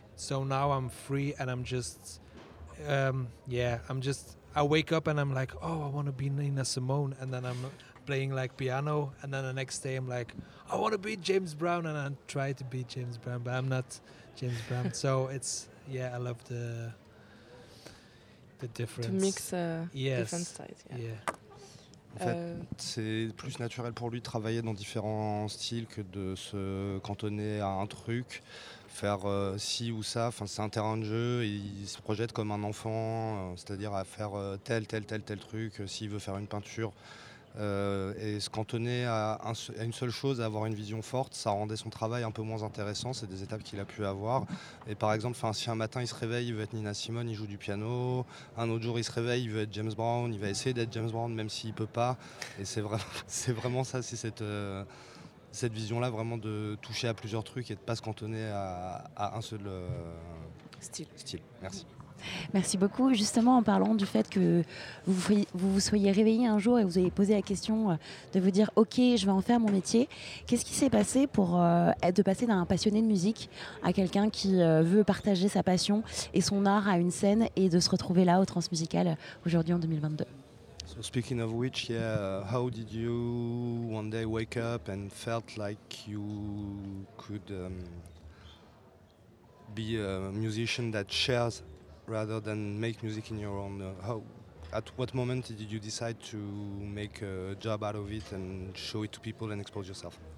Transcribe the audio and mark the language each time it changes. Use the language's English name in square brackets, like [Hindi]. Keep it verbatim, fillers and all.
[English] So now I'm free and I'm just, um, yeah, I'm just, I wake up and I'm like, oh, I want to be Nina Simone. And then I'm playing like piano. And then the next day I'm like, I want to be James Brown. And I try to be James Brown, but I'm not James Brown. So it's, yeah, I love the, the difference. To mix uh, yes. different styles. Yeah. yeah. [French] En fait, euh... c'est plus naturel pour lui de travailler dans différents styles que de se cantonner à un truc, faire euh, ci ou ça. Enfin, c'est un terrain de jeu et il se projette comme un enfant, euh, c'est-à-dire à faire euh, tel, tel, tel, tel truc, euh, s'il veut faire une peinture. Euh, et se cantonner à, un, à une seule chose, à avoir une vision forte, ça rendait son travail un peu moins intéressant. C'est des étapes qu'il a pu avoir. Et par exemple, si un matin il se réveille, il veut être Nina Simone, il joue du piano. Un autre jour il se réveille, il veut être James Brown, il va essayer d'être James Brown même s'il peut pas. Et c'est vraiment, c'est vraiment ça, c'est cette, euh, cette vision-là, vraiment de toucher à plusieurs trucs et de pas se cantonner à, à un seul euh, style. style. Merci. Merci beaucoup. Justement, en parlant du fait que vous vous soyez réveillé un jour et vous avez posé la question de vous dire « Ok, je vais en faire mon métier », qu'est-ce qui s'est passé pour euh, de passer d'un passionné de musique à quelqu'un qui euh, veut partager sa passion et son art à une scène et de se retrouver là, au Transmusical, aujourd'hui en deux mille vingt-deux? [English] So speaking of which, yeah, how did you one day wake up and felt like you could um, be a musician that shares rather than make music in your own? Uh, how, at what moment did you decide to make a job out of it and show it to people and expose yourself?